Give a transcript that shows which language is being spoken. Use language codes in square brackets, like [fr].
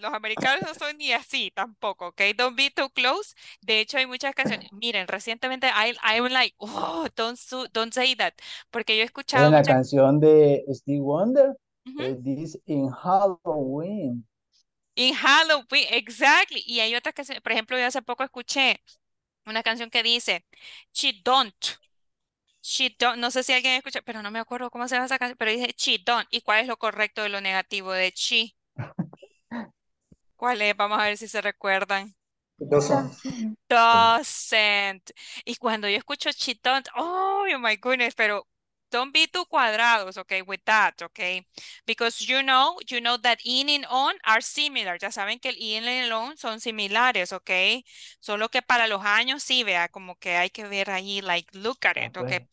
[es] Los americanos no son ni así tampoco, ¿ok? [en] Don't be too close. [es] De hecho, hay muchas canciones. Miren, recientemente [en] I'm like, oh, don't say that. [es] Porque yo he escuchado en la canción de Steve Wonder, uh-huh. [en] This in Halloween. [es] In Halloween, exactly. Y hay otras que, por ejemplo, yo hace poco escuché una canción que dice, [en] she don't, [es] no sé si alguien escucha, pero no me acuerdo cómo se llama esa canción, pero dice, she don't. ¿Y cuál es lo correcto de lo negativo de she? ¿Cuál es? Vamos a ver si se recuerdan. [en] Doesn't. [es] Y cuando yo escucho [en] she don't, oh my goodness, [es] pero [en] don't be too [es] cuadrados, [en] okay, with that, okay? Because you know that in and on are similar. [es] Ya saben que el in and el on son similares, okay? Solo que para los años, sí, vea, como que hay que ver ahí, [en] like, look at it, okay?